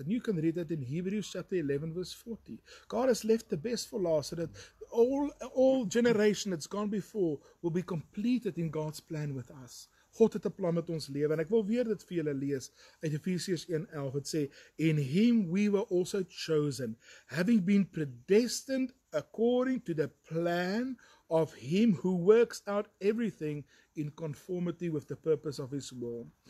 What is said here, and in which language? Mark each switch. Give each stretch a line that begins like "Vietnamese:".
English: And you can read it in Hebrews chapter 11 verse 40. God has left the best for last, so that all generation that's gone before will be completed in God's plan with us.
Afrikaans: God het 'n plan met ons lewe en ek wil weer dit vir julle lees uit Efesiërs 1:11. Dit sê
English: in him we were also chosen, having been predestined according to the plan of him who works out everything in conformity with the purpose of his will.